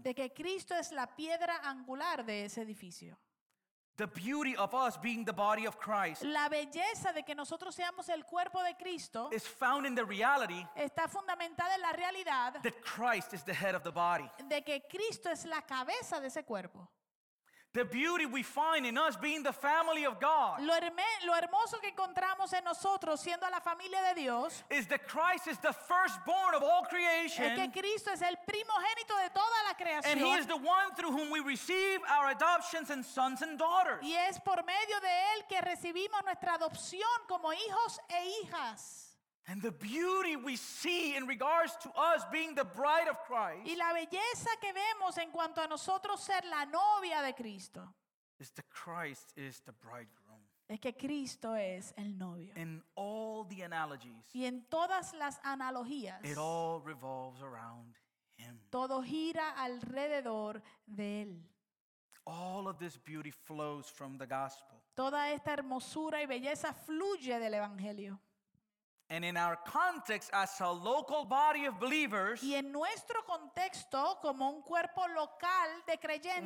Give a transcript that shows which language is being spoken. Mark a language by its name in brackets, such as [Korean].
[Spanish] de que Cristo es la piedra angular de ese edificio. [English] The beauty of us being the body of Christ. [Spanish] La belleza de que nosotros seamos el cuerpo de Cristo. [English] Is found in the reality. [Spanish] Está fundamentada en la realidad. [English] That Christ is the head of the body. [Spanish] De que Cristo es la cabeza de ese cuerpo. [English] The beauty we find in us being the family of God. [Spanish] Lo hermoso que encontramos en nosotros siendo la familia de Dios. [English] Is that Christ is the firstborn of all creation. [Spanish] Es que Cristo es el primogénito de toda la creación. [English] And he is the one through whom we receive our adoptions and sons and daughters. [Spanish] Y es por medio de él que recibimos nuestra adopción como hijos e hijas. [English] And the beauty we see in regards to us being the bride of Christ. [Spanish] Y la belleza que vemos en cuanto a nosotros ser la novia de Cristo. [English] Is that Christ is the bridegroom. [Spanish] Es que Cristo es el novio. [English] In all the analogies. [Spanish] Y en todas las analogías. [English] It all revolves around him. [Spanish] Todo gira alrededor de él. [English] All of this beauty flows from the gospel. [Spanish] Toda esta hermosura y belleza fluye del evangelio. [English] And in our context as a local body of believers, [Spanish] y en nuestro contexto como un cuerpo local de creyentes,